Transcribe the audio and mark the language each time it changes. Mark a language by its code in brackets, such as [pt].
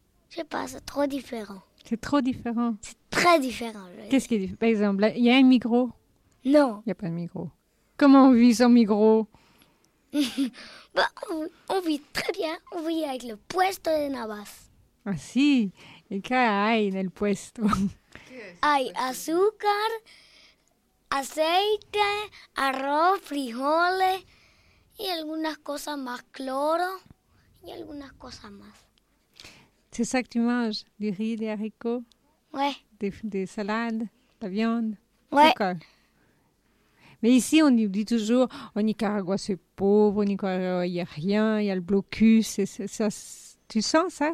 [fr] Je sais pas, c'est trop différent. C'est trop différent? C'est très différent. Qu'est-ce qui est différent? Par exemple, il y a un micro? Non. Il n'y a pas de micro. Comment on vit sans micro? Bah, on vit très bien, on vit avec le [es] puesto [fr] de Navas. [es] Ah si, et qu'a hay en el puesto? Hay azúcar, aceite, arroz, frijoles y algunas cosas más, cloro y algunas cosas más. [fr] C'est ça que tu manges, du riz, des haricots? Ouais. Des salades, de la viande? Ouais. D'accord. Mais ici, on dit toujours, au Nicaragua, c'est pauvre, au Nicaragua, il n'y a rien, il y a le blocus. Ça, tu sens ça,